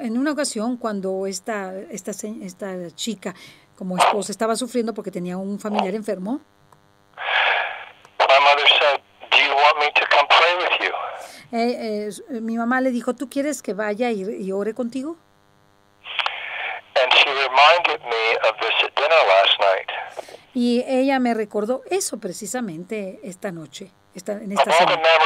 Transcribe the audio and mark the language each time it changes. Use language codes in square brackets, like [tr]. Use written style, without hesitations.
[es] En una ocasión, cuando esta chica como esposa estaba sufriendo porque tenía un familiar enfermo. [en] My mother said, "Do you want me to come pray with you?" [es] Mi mamá le dijo, "¿Tú quieres que vaya y ore contigo?" [en] And she reminded me of this at dinner last night. [es] Y ella me recordó eso precisamente esta noche, en esta cena.